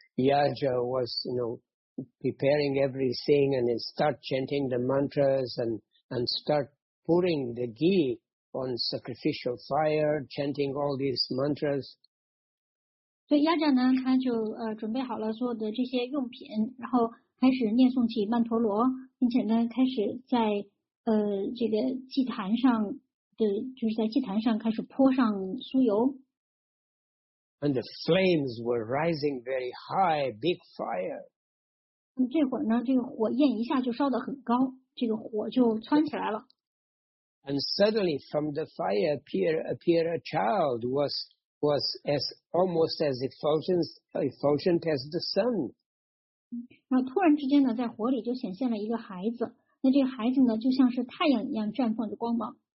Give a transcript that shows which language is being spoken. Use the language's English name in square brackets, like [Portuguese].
[English] Yaja was, you know, preparing everything and start chanting the mantras and start pouring the ghee on sacrificial fire, chanting all these mantras. [Chinese] 所以Yaja呢，他就准备好了所有的这些用品，然后开始念诵起曼陀罗，并且呢，开始在这个祭坛上，就是在祭坛上开始泼上酥油。 [English] And the flames were rising very high, big fire. [Chinese] 这会儿呢，这个火焰一下就烧得很高，这个火就窜起来了。 [English] And suddenly from the fire appeared a child was as almost as effulgent as the sun. [Chinese] 然后突然之间呢，在火里就显现了一个孩子，那这个孩子呢，就像是太阳一样绽放着光芒。